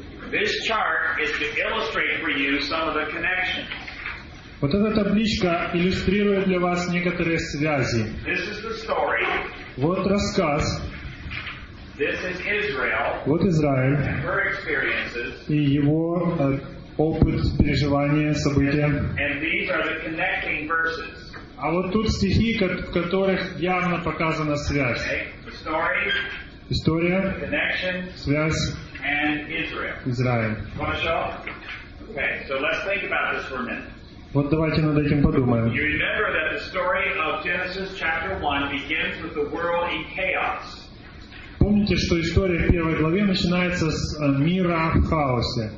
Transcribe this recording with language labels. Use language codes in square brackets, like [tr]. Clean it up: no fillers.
[en] This chart is to illustrate for you some of the connections. [ru] Вот эта табличка иллюстрирует для вас некоторые связи. [en] This is the story. [ru] Вот рассказ. [en] This is Israel. [ru] Вот Израиль. [en] And her experiences. [ru] И его опыт, переживания, события. [en] And these are the connecting verses. [ru] А вот тут стихи, в которых явно показана связь. [en] Okay. The story. [ru] История. [en] The connection. [ru] Связь. [en] And Israel. [ru] Израиль. [en] Want to show? Okay, so let's think about this for a minute. [ru] Вот давайте над этим подумаем. [en] You remember that the story of Genesis chapter 1 begins with the world in chaos. [ru] Помните, что история в первой главе начинается с мира в хаосе.